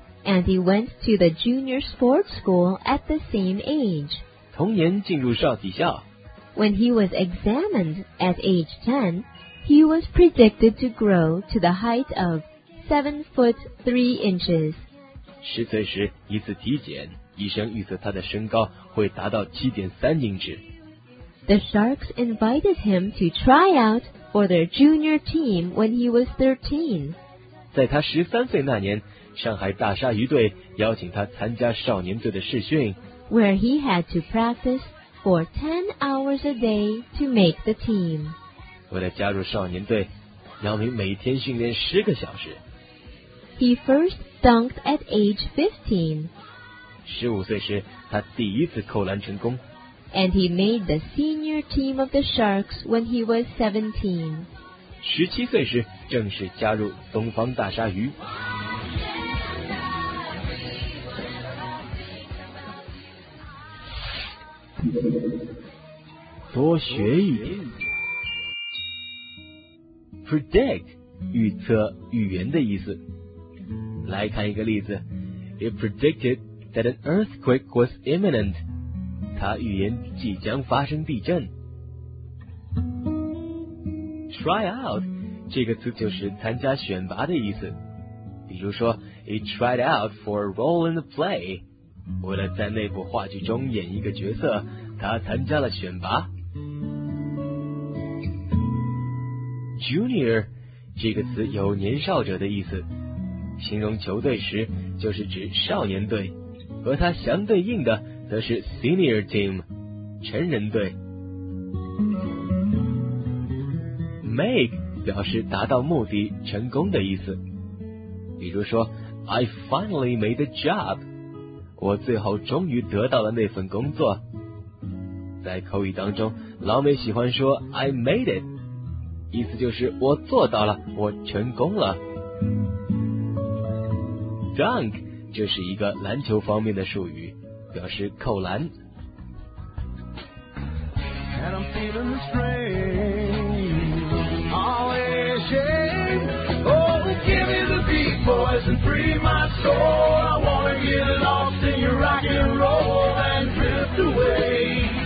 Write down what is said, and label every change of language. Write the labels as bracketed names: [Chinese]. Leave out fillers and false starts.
[English] And he went to the junior sports school at the same age [Chinese] 同年进入少体校 [English] When he was examined at age 10 He was predicted to grow to the height of 7 foot 3 inches [Chinese] 10岁时一次体检医生预测他的身高会达到 7.3 英尺 [English] The Sharks invited him to try out for their junior team when he was 13 [Chinese] 在他13岁那年，上海大鲨鱼队邀请他参加少年队的试训。 [English] Where he had to practice for 10 hours a day to make the team. [Chinese] 为了加入少年队，姚明每天训练10个小时。 [English] He first dunked at age 15. [Chinese] 15岁时，他第一次扣篮成功。 [English] And he made the senior team of the Sharks when he was 17. [Chinese] 17岁时正式加入东方大鲨鱼。多学一点。 Predict, 预测预言的意思。来看一个例子。 [English] It predicted that an earthquake was imminent. [Chinese] 它预言即将发生地震。 Try out 这个词就是参加选拔的意思。比如说 [English] ，He tried out for a role in the play。 [Chinese] 为了在那部话剧中演一个角色，他参加了选拔。 Junior 这个词有年少者的意思，形容球队时就是指少年队，和它相对应的则是 senior team， 成人队。 Make 表示达到目的、成功的意思。比如说 ， [English] I finally made a job， [Chinese] 我最后终于得到了那份工作。在口语当中，老美喜欢说 [English] I made it， [Chinese] 意思就是我做到了，我成功了。 dunk 这是一个篮球方面的术语，表示扣篮。 [English] And I'm feeling the strain. All is shame. Oh, give me the beat, boys, and free my soul. I wanna get lost in your rock and roll and drift away.